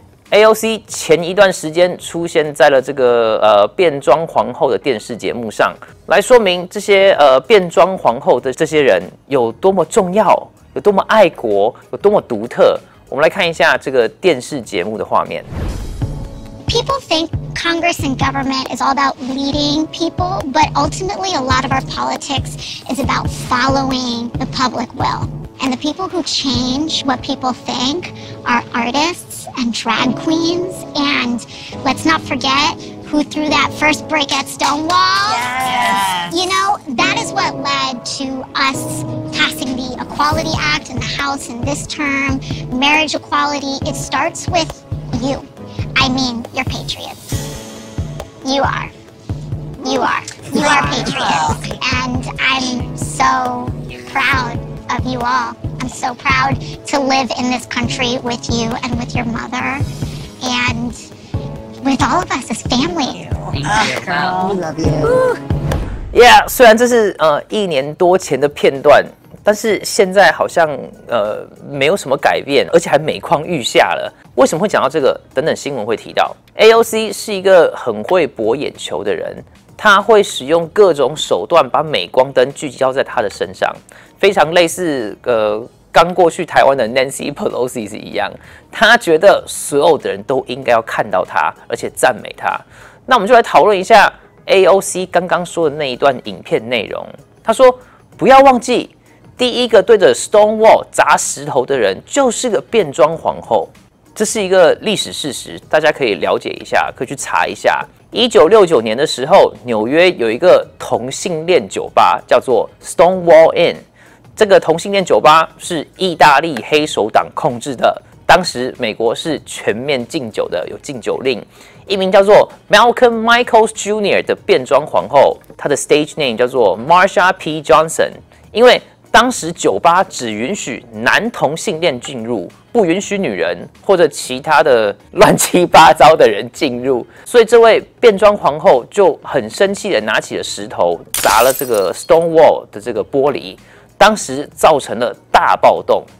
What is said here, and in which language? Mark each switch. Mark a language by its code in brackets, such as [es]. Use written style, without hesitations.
[zh] AOC 前一段时间出现在了这个变装皇后的电视节目上，来说明这些变装皇后的这些人有多么重要，有多么爱国，有多么独特。我们来看一下这个电视节目的画面。 [en] People think Congress and government is all about leading people, but ultimately a lot of our politics is about following the public will. And the people who change what people think are artists. And drag queens, and let's not forget who threw that first brick at Stonewall. Yes. You know, that is what led to us passing the Equality Act in the House in this term. Marriage equality, it starts with you. I mean, you're patriots. You are. You are. You are patriots. And I'm so proud of you all. I'm so proud to live in this country with you and with your mother and with all of us as family. Thank you, girl. We love you. [zh] Yeah, 虽然这是一年多前的片段，但是现在好像没有什么改变，而且还每况愈下了。为什么会讲到这个？等等新闻会提到。AOC 是一个很会博眼球的人，他会使用各种手段把镁光灯聚焦在他的身上。非常类似刚过去台湾的 Nancy Pelosi 是一样，他觉得所有的人都应该要看到他，而且赞美他。那我们就来讨论一下 AOC 刚刚说的那一段影片内容。他说：“不要忘记，第一个对着 Stone Wall 砸石头的人就是个变装皇后，这是一个历史事实，大家可以了解一下，可以去查一下。 1969年的时候，纽约有一个同性恋酒吧叫做 Stone Wall Inn。” 这个同性恋酒吧是意大利黑手党控制的，当时美国是全面禁酒的，有禁酒令。一名叫做 Malcolm Michaels Jr. 的变装皇后，她的 stage name 叫做 Marsha P. Johnson， 因为当时酒吧只允许男同性恋进入，不允许女人或者其他的乱七八糟的人进入，所以这位变装皇后就很生气的拿起了石头砸了这个 Stone Wall 的这个玻璃，当时造成了大暴动。